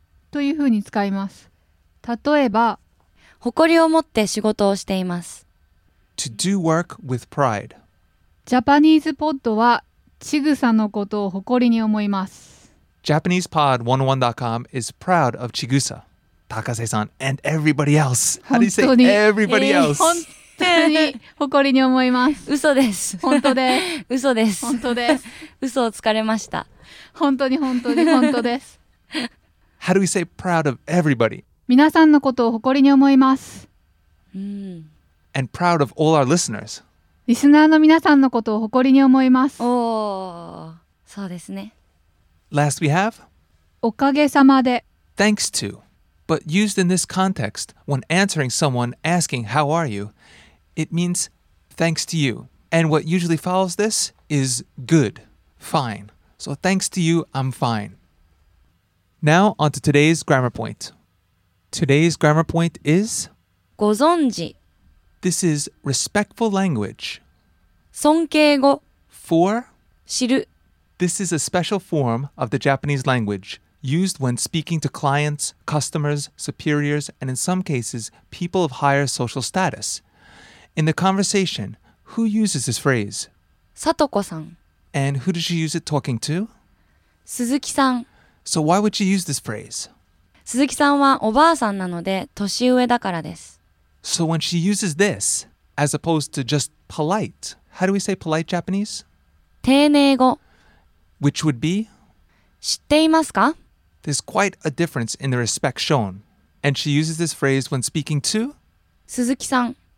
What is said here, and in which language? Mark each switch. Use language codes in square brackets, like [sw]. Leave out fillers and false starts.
[ja] というふうに使います。例えば、誇りを持って仕事をしています。 [en] To do work with pride. [ja] Japanese Pod はちぐさのことを誇りに思います。 [en] JapanesePod101.com is proud of Chigusa, Takase san, and everybody else. How do you say everybody else? [ja] 本当に誇りに思います。嘘です。本当です。嘘です。本当です。嘘をつかれました。本当に本当に本当です。 [en] How do we say proud of everybody? [ja] 皆さんのことを誇りに思います。 [en] And proud of all our listeners. [ja] リスナーの皆さんのことを誇りに思います。おー、そうですね。 [en] Last we have? [ja] おかげさまで。 [en] Thanks to. But used in this context, when answering someone asking how are you, it means thanks to you. And what usually follows this is good, fine. So thanks to you, I'm fine. Now on to today's grammar point. Today's grammar point is... ご存知。 This is respectful language. [ja] 尊敬語. [en] For? [ja] 知る. [en] This is a special form of the Japanese language used when speaking to clients, customers, superiors, and in some cases, people of higher social status. In the conversation, who uses this phrase? Satoko-san. And who does she use it talking to? Suzuki-san. So why would she use this phrase? [ja] Suzuki-san はおばあさんなので年上だからです。 [en] So when she uses this, as opposed to just polite, how do we say polite Japanese? [ja] 丁寧語。 [en] Which would be? [ja] 知っていますか? [en] There's quite a difference in the respect shown. And she uses this phrase when speaking to? [ja] 鈴木さん。